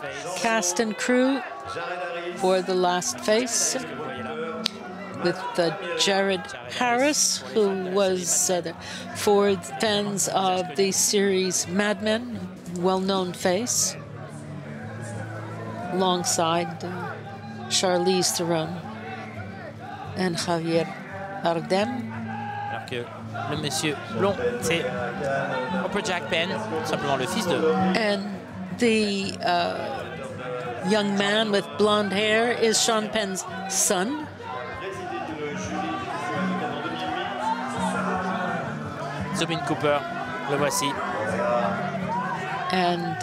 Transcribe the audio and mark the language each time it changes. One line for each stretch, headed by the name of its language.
English: The cast and crew for The Last Face with Jared Harris, who was for fans of the series Mad Men, well-known face, alongside Charlize Theron and Javier Bardem.
French: Le monsieur blond, c'est Robert Jack Penn, simplement le fils de.
English: And the young man with blonde hair is Sean Penn's son.
French: Zubin Cooper, le voici.
English: And